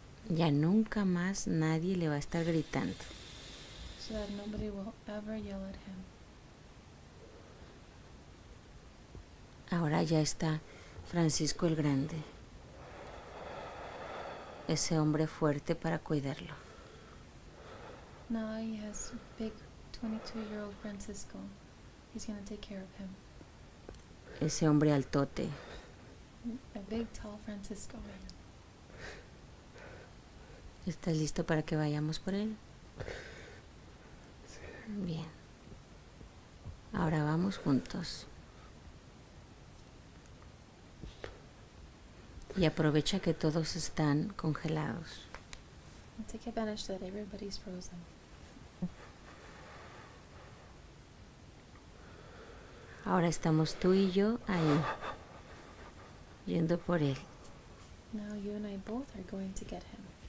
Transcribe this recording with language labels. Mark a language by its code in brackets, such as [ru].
[es] Ya nunca más nadie le va a estar gritando. [en] So that nobody will ever yell at him. [es] Ahora ya está Francisco el Grande. Ese hombre fuerte para cuidarlo. [en] Now he has big 22-year-old Francisco. He's going to take care of him. [es] Ese hombre altote. [en] A big, tall Francisco. [es] ¿Estás listo para que vayamos por él? Sí. Bien. Ahora vamos juntos. Y aprovecha que todos están congelados. [en] Take advantage that everybody's frozen. [es] Ahora estamos tú y yo ahí, yendo por él. [en] Now you and I both are going to get him.